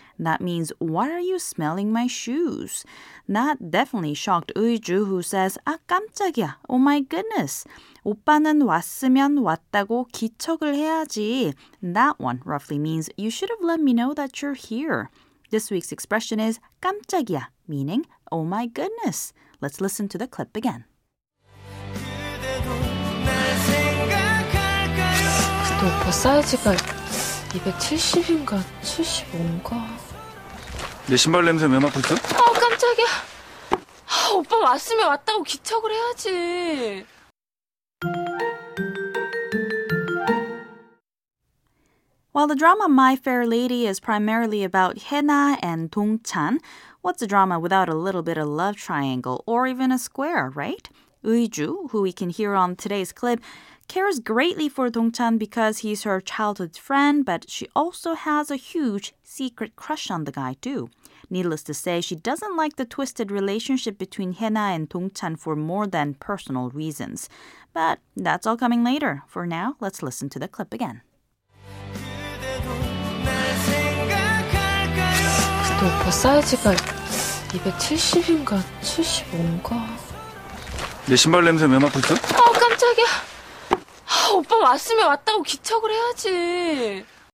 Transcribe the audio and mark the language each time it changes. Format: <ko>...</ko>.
<en>That means, why are you smelling my shoes? That definitely shocked 의주, who says,</en> <ko>아, 깜짝이야.</ko> <en>Oh my goodness.</en> <ko>오빠는 왔으면 왔다고 기척을 해야지.</ko> <en>That one roughly means, you should have let me know that you're here. This week's expression is 깜짝이야, meaning, oh my goodness. Let's listen to the clip again.</en> <ko>그래도 날 생각할까요? 근데 오빠 사이즈가 270인가 75인가? 내 신발 냄새 왜 맡고 있어? 아, 깜짝이야. 아, 오빠 왔으면 왔다고 기척을 해야지.</ko> <en>While the drama My Fair Lady is primarily about Hyena and Dongchan, what's a drama without a little bit of love triangle or even a square, right? 의주, who we can hear on today's clip, cares greatly for Dongchan because he's her childhood friend, but she also has a huge secret crush on the guy too. Needless to say, she doesn't like the twisted relationship between Hyena and Dongchan for more than personal reasons. But that's all coming later. For now, let's listen to the clip again.</en> <ko>근데 오빠 사이즈가 270인가 75인가? 내 신발 냄새 왜 맡고 있어? 아, 깜짝이야. 아, 오빠 왔으면 왔다고 기척을 해야지.</ko>